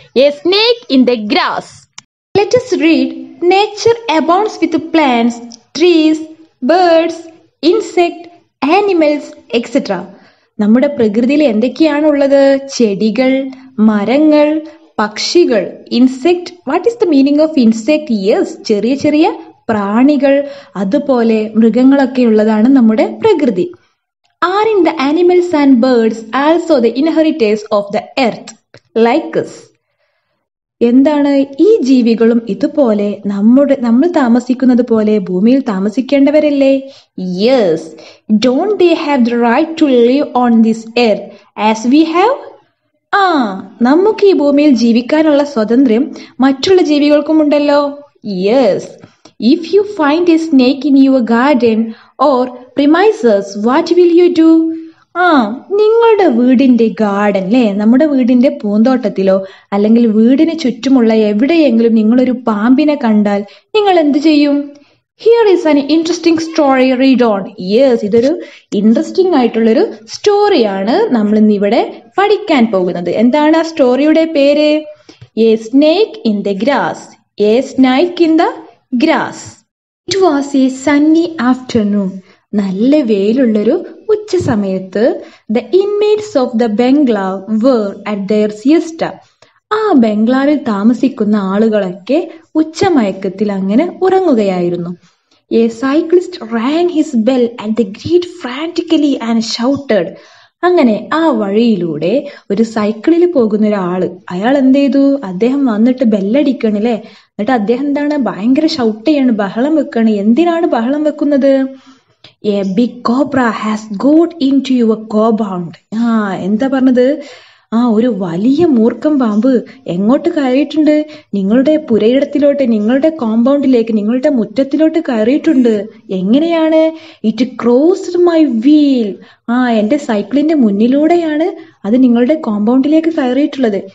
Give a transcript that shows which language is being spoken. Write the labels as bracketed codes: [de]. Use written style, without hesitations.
[en] A snake in the grass. Let us read. Nature abounds with plants, trees, birds, insect, animals etcetera. [ml] നമ്മുടെ പ്രകൃതിയിൽ എന്തൊക്കെയാണ് ഉള്ളത്? ചെടികൾ, മരങ്ങൾ, പക്ഷികൾ, insect. [en] What is the meaning of insect? [ml] Yes, ചെറിയ ചെറിയ പ്രാണികൾ, അതുപോലെ മൃഗങ്ങളൊക്കെ ഉള്ളതാണ് നമ്മുടെ പ്രകൃതി. [en] Are in the animals and birds also the inheritors of the earth like us? [ml] എന്താണ് ഈ ജീവികളും ഇതുപോലെ നമ്മൾ താമസിക്കുന്നത് പോലെ ഭൂമിയിൽ താമസിക്കേണ്ടവരല്ലേ? [en] Yes. Don't they have the right to live on this earth as we have? [ml] നമുക്ക് ഈ ഭൂമിയിൽ ജീവിക്കാനുള്ള സ്വാതന്ത്ര്യം മറ്റുള്ള ജീവികൾക്കും ഉണ്ടല്ലോ. [en] Yes. If you find a snake in your garden or premises, what will you do? [ml] നിങ്ങളുടെ വീടിന്റെ ഗാർഡൻ അല്ലേ, നമ്മുടെ വീടിന്റെ പൂന്തോട്ടത്തിലോ അല്ലെങ്കിൽ വീടിന് ചുറ്റുമുള്ള എവിടെയെങ്കിലും നിങ്ങളൊരു പാമ്പിനെ കണ്ടാൽ നിങ്ങൾ എന്ത് ചെയ്യും? [en] Here is an interesting story, read on. [ml] Yes, ഇതൊരു ഇൻട്രസ്റ്റിംഗ് ആയിട്ടുള്ളൊരു സ്റ്റോറിയാണ് നമ്മൾ ഇന്ന് ഇവിടെ പഠിക്കാൻ പോകുന്നത്. എന്താണ് ആ സ്റ്റോറിയുടെ പേര്? [en] A snake in the grass. A snake in the grass. It was a sunny afternoon. [ml] നല്ല വെയിലുള്ളൊരു ഉച്ച സമയത്ത് [en] The inmates of the bungalow were at their siesta. [ml] ആ ബംഗ്ലാവിൽ താമസിക്കുന്ന ആളുകളൊക്കെ ഉച്ചമയക്കത്തിൽ അങ്ങനെ ഉറങ്ങുകയായിരുന്നു. [en] A cyclist rang his bell at the gate frantically and shouted. [ml] അങ്ങനെ ആ വഴിയിലൂടെ ഒരു സൈക്കിളിൽ പോകുന്ന ഒരാള്, അയാൾ എന്ത് ചെയ്തു? അദ്ദേഹം വന്നിട്ട് ബെല്ലടിക്കണില്ലേ, എന്നിട്ട് അദ്ദേഹം എന്താണ് ഭയങ്കര ഷൗട്ട് ചെയ്യണ്, ബഹളം വെക്കണ്. എന്തിനാണ് ബഹളം വെക്കുന്നത്? [en] A big cobra has got into your compound. [ml] എന്താ പറഞ്ഞത്? ഒരു വലിയ മൂർഖം പാമ്പ് എങ്ങോട്ട് കയറിയിട്ടുണ്ട്? നിങ്ങളുടെ പുരയിടത്തിലോട്ട്, നിങ്ങളുടെ കോമ്പൗണ്ടിലേക്ക്, നിങ്ങളുടെ മുറ്റത്തിലോട്ട് കയറിയിട്ടുണ്ട്. എങ്ങനെയാണ്? [en] It crossed my wheel. [ml] എന്റെ സൈക്കിളിന്റെ മുന്നിലൂടെയാണ് അത് നിങ്ങളുടെ കോമ്പൗണ്ടിലേക്ക് കയറിയിട്ടുള്ളത്.